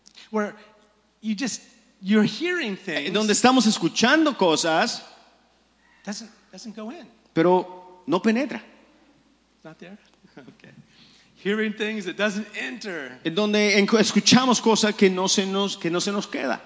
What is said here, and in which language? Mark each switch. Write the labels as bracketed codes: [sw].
[en] Where you're hearing things. [es] Donde estamos escuchando cosas. [en] Doesn't go in. [es] Pero no penetra. [en] Not there. Okay. Hearing things that doesn't enter. [es] En donde escuchamos cosas que no se nos queda.